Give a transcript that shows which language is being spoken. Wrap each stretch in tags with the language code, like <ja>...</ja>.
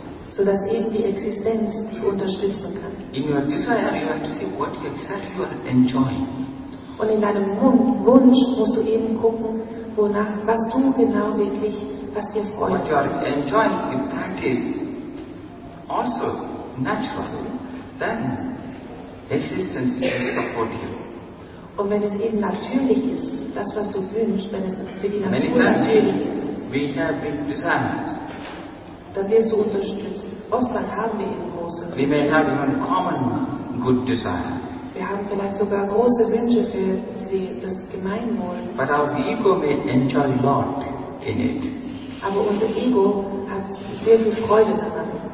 <de>So dass eben die Existenz dich unterstützen kann.</de> <en>In your desire, you have to see what exactly you are enjoying.</en> <de>Und in deinem Wunsch musst du eben gucken, wonach, was du genau wirklich, was dir freut.</de> <en>What you are enjoying in practice also naturally, then existence will support you.</en> <de>Und wenn es eben natürlich ist, das was du wünschst, wenn es für die Natur natürlich ist,</de> <en>we have big desires.</en> <de>Dann wirst du unterstützt. Oftmals haben wir eben große Wünsche.</de> <en>We may have even common good desire.</en> <de>Wir haben vielleicht sogar große Wünsche für das Gemeinwohl.</de> <en>But our ego may enjoy a lot in it.</en> <de>Aber unser Ego hat sehr viel Freude daran.</de>